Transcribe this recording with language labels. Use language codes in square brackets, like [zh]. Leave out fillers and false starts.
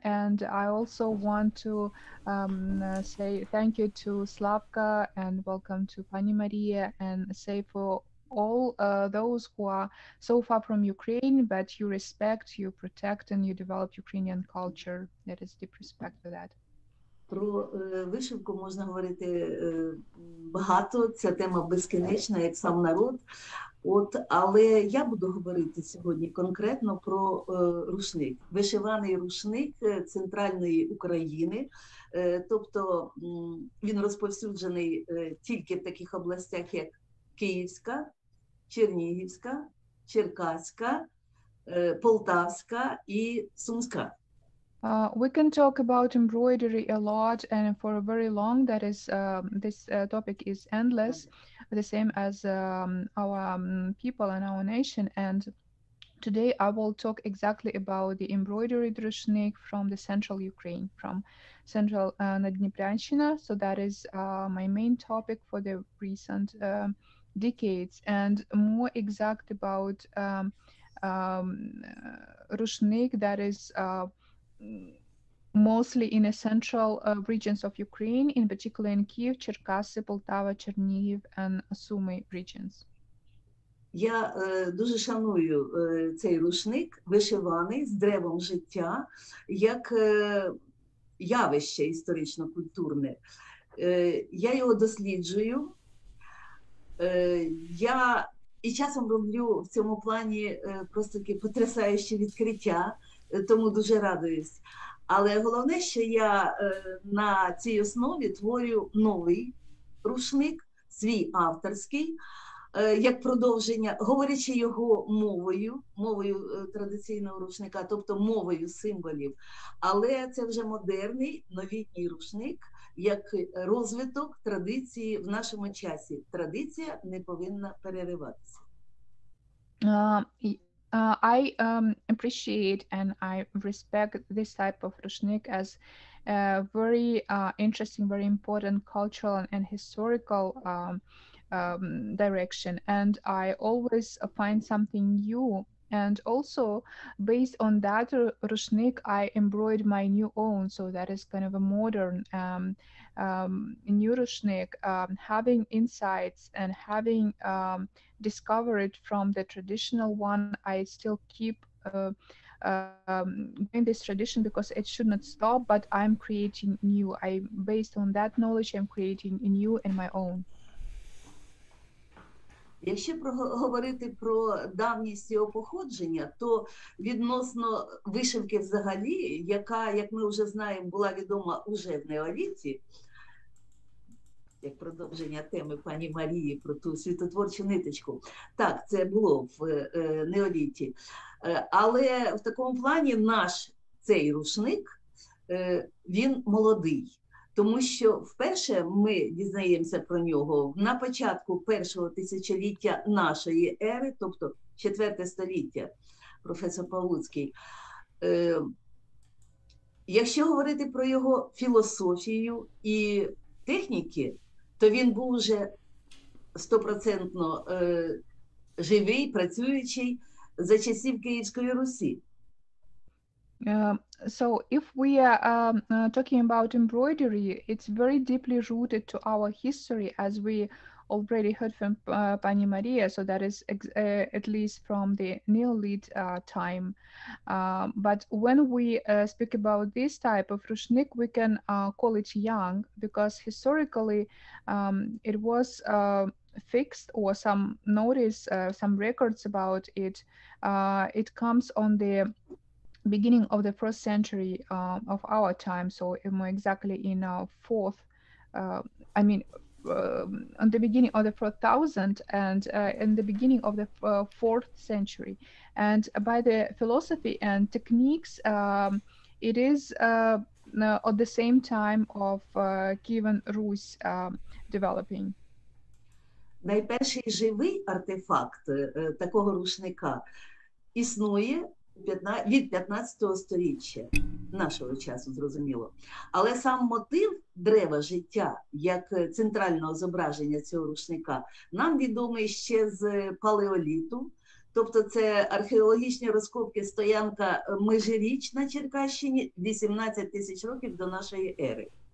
[en] And I also want to say thank you to Slavka and welcome to Pani Maria, and say for all those who are so far from Ukraine, but you respect, you protect, and you develop Ukrainian culture. That is deep respect for that. [uk] Про вишивку можна говорити багато, це тема безкінечна, як сам народ. От, але я буду говорити сьогодні конкретно про рушник. Вишиваний рушник центральної України, тобто він розповсюджений тільки в таких областях, як Київська, Чернігівська, Черкаська, Полтавська і Сумська. [en] We can talk about embroidery a lot and for a very long, that is, this topic is endless, the same as our people and our nation. And today I will talk exactly about the embroidery drushnik from the central Ukraine, from central Naddniprianshchina. So that is my main topic for the recent decades, and more exact about rushnik, that is mostly in the central regions of Ukraine, in particular in Kyiv, Cherkasy, Poltava, Chernihiv, and Sumy regions. [uk] Я дуже шаную цей рушник, вишиваний з деревом життя, як явище історично-культурне. Я його досліджую. Я і часом роблю в цьому плані просто такі потрясаючі відкриття. Тому дуже радуюсь. Але головне, що я на цій основі творю новий рушник, свій авторський, як продовження, говорячи його мовою, мовою традиційного рушника, тобто мовою символів. Але це вже модерний, новітній рушник, як розвиток традиції в нашому часі. Традиція не повинна перериватися. [en] I appreciate and I respect this type of rushnik as a very interesting, very important cultural and historical direction. And I always find something new. And also, based on that rushnik, I embroidered my new own. So that is kind of a modern new rushnik, having insights and having discovered from the traditional one. I still keep doing this tradition because it should not stop, but I'm creating new. I, based on that knowledge, I'm creating new and my own. [uk] Якщо говорити про давність його походження, то відносно вишивки взагалі, яка, як ми вже знаємо, була відома уже в неоліті, як продовження теми пані Марії про ту світотворчу ниточку. Так, це було в неоліті. Але в такому плані наш цей рушник, він молодий. Тому що вперше ми дізнаємося про нього на початку першого тисячоліття нашої ери, тобто четверте століття, професор Павлуцький. Якщо говорити про його філософію і техніки, то він був уже стопроцентно живий, працюючий за часів Київської Русі. [en] So if we are talking about embroidery, it's very deeply rooted to our history, as we already heard from Pani Maria, so that is at least from the Neolithic time. But when we speak about this type of rushnik, we can call it young, because historically it was fixed, or some notice, some records about it, it comes on the beginning of the first century of our time, so more exactly in our fourth, I mean, on the beginning of the 4000 and in the beginning of the fourth century. And by the philosophy and techniques, it is at the same time of Kievan Rus developing. [uk] Найперший живий артефакт такого рушника існує від 15 століття нашого часу, зрозуміло. Але сам мотив древа життя як центрального зображення цього рушника нам відомий ще з палеоліту, тобто це археологічні розкопки стоянка Межиріч на Черкащині 18 тисяч років до нашої ери.